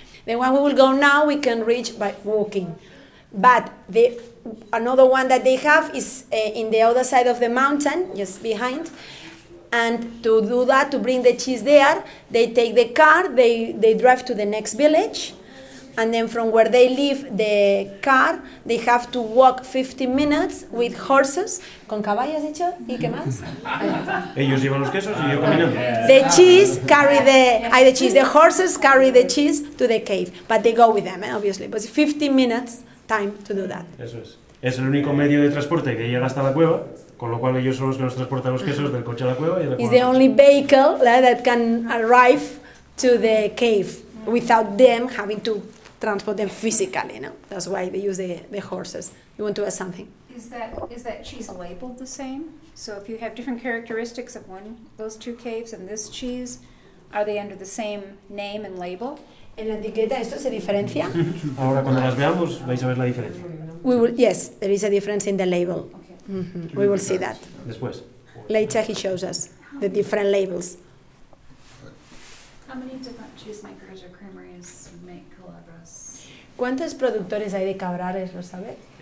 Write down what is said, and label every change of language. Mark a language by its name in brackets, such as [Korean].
[English] The one we will go now, we can reach by walking. But the another one that they have is in the other side of the mountain, just behind, and to do that, to bring the cheese there, they take the car, they drive to the next village, and then from where they leave the car, they have to walk 50 minutes with horses. [Spanish] ¿Con caballos, dicho? ¿Y qué más? Ellos llevan los quesos y yo camino. [English] The cheese carry the horses carry the cheese to the cave. But they go with them, obviously. But 50 minutes time to do that. [Spanish] Eso es. Es el único medio de transporte que llega hasta la cueva, con lo cual ellos son los que nos transportan los quesos del coche a la cueva. [English] It's the only vehicle that can arrive to the cave without them having to transport them physically, That's why they use the horses. You want to ask something? Is that cheese labeled the same? So if you have different characteristics of one, those 2 caves and this cheese, are they under the same name and label? [Spanish] En la etiqueta, ¿esto se diferencia? Ahora cuando las veamos, vais a ver la diferencia. [English] We will, yes, there is a difference in the label. Okay. Mm-hmm. We will see that. [Spanish] Después. [English] Later he shows us the different labels. How many different cheesemakers or creameries make Calabres? [Spanish] ¿Cuántos productores hay de Cabrales, lo sabe?